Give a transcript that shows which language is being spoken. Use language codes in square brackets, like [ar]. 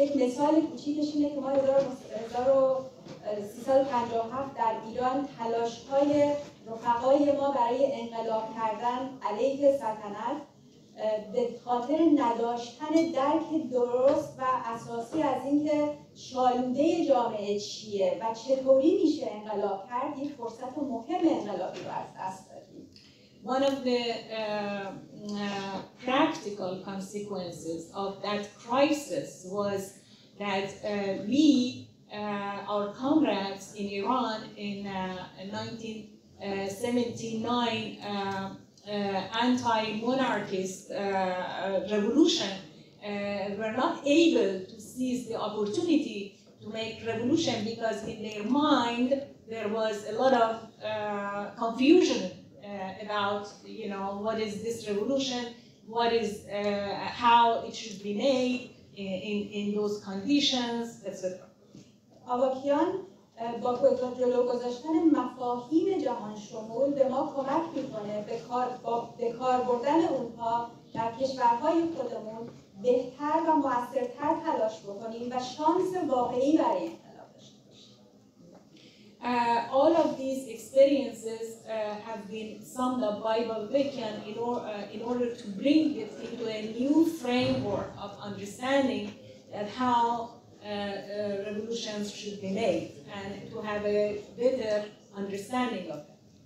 [fa] یک مثال کوچیکش اینه که ما 1357 در ایران تلاش‌های رفقای ما برای انقلاب کردن علیه سلطنت به خاطر نداشتن درک درست و اساسی از اینکه شالوده جامعه چیه و چطوری میشه انقلاب کرد، یک فرصت مهم انقلابی رو از دست دادیم. [en] One of the practical consequences of that crisis was that we, our comrades in Iran in 1979 anti-monarchist revolution were not able to seize the opportunity to make revolution because in their mind there was a lot of confusion about, you know, what is this revolution, what is how it should be made in those conditions, etc. [fa] Avakian با جلو گذاشتن مفاهیم جهان شمول به ما کمک میکنه به کار بردن اونها در کشورهای خودمون بهتر و موثرتر تلاش بکنیم و شانس واقعی برای انقلاب داشته باشیم. [en] All of these experiences have been summed up by Bob Avakian in order to bring it into a new framework of understanding that how revolutions should be made and to have a better understanding of them.